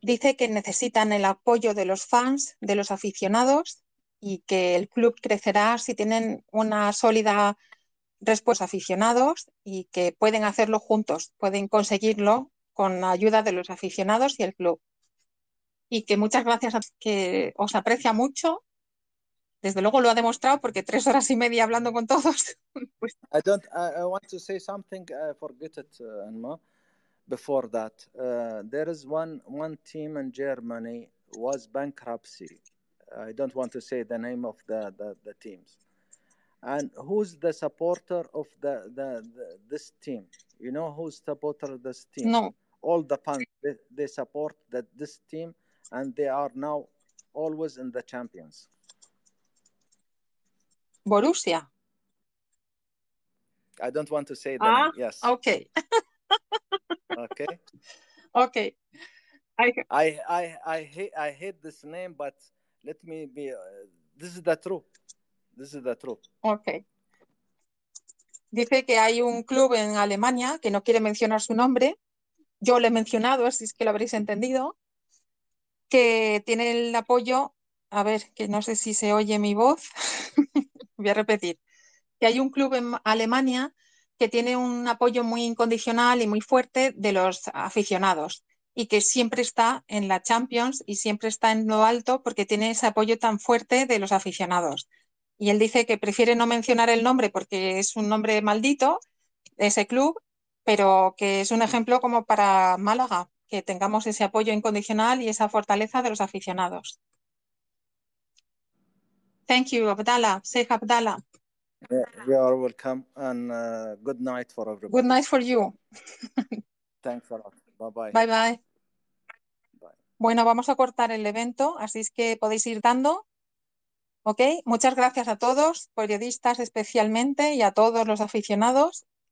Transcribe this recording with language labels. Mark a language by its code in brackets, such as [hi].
[es] Dice que necesitan el apoyo de los fans, de los aficionados, y que el club crecerá si tienen una sólida respuesta aficionados, y que pueden hacerlo juntos, pueden conseguirlo con la ayuda de los aficionados y el club. Y que muchas gracias, que os aprecia mucho. Desde luego lo ha demostrado porque 3 horas y media hablando con todos. Pues... [en] I want to say something. I forget it, Anma. Before that, there is one team in Germany was bankruptcy. I don't want to say the name of the teams. And who's the supporter of this team? You know who's supporter of this team? No. All the fans they support this team, and they are now always in the champions. Borussia. I don't want to say that. Ah, yes. Okay. Okay. Okay. I hate this name, but let me be. This is the truth. This is the truth. Okay. [es] Dice que hay un club en Alemania que no quiere mencionar su nombre. Yo le he mencionado, así es que lo habréis entendido. Que tiene el apoyo. A ver, que no sé si se oye mi voz. Voy a repetir, que hay un club en Alemania que tiene un apoyo muy incondicional y muy fuerte de los aficionados, y que siempre está en la Champions y siempre está en lo alto porque tiene ese apoyo tan fuerte de los aficionados. Y él dice que prefiere no mencionar el nombre porque es un nombre maldito, ese club, pero que es un ejemplo como para Málaga, que tengamos ese apoyo incondicional y esa fortaleza de los aficionados. [en] Thank you, Abdullah. Sheikh Abdullah. Yeah, you are welcome, and good night for everybody. Good night for you. Thanks a lot. Bye-bye. Bye-bye. [es] Bueno, vamos a cortar el evento, así es que podéis ir dando. Ok, muchas gracias a todos, periodistas especialmente, y a todos los aficionados.